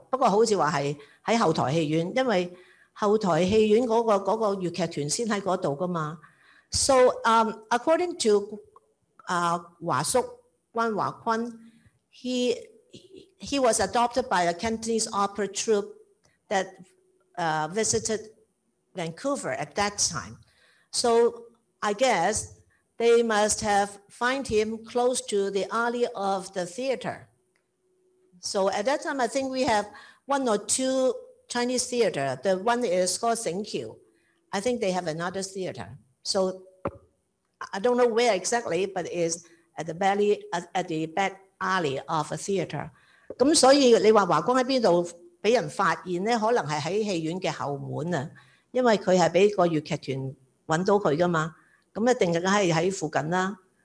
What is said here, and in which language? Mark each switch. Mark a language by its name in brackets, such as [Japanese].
[Cantonese] 不過好似話係喺後台戲院，因為後台戲院嗰個粵劇團先喺嗰度噶嘛。 [English] So according to 華叔關華坤 ，he was adopted by a Cantonese opera troupe that visited Vancouver at that time. So I guess they must have find him close to the alley of the theater. So at that time, I think we have one or two Chinese theater. The one is called Xingqiu. I think they have another theater. So I don't know where exactly, but it's at the belly, at the back alley of a theater. [Cantonese] 咁所以你話華光喺邊度？被人發現咧，可能係喺戲院嘅後門啊，因為佢係俾個粵劇團揾到佢噶嘛，咁一定係喺附近啦。